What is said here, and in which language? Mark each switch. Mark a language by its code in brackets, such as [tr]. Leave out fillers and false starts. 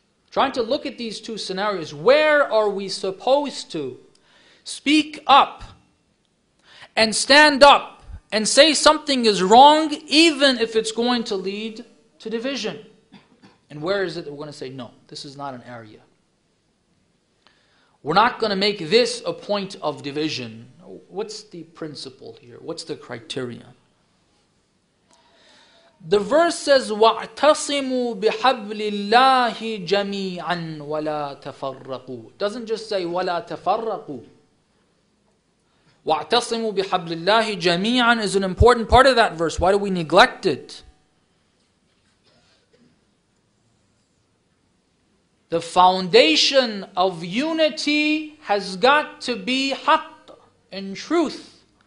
[en] Trying to look at these two scenarios. Where are we supposed to speak up and stand up and say something is wrong even if it's going to lead to division? And where is it that we're going to say, no, this is not an area. We're not going to make this a point of division. What's the principle here? What's the criterion? The verse says, [ar] وَاعْتَصِمُوا بِحَبْلِ اللَّهِ جَمِيعًا وَلَا تَفَرَّقُوا. [en] It doesn't just say, [ar] وَلَا تَفَرَّقُوا. وَاعْتَصِمُوا بِحَبْلِ اللَّهِ جَمِيعًا [en] is an important part of that verse. Why do we neglect it? The foundation of unity has got to be haqq and truth.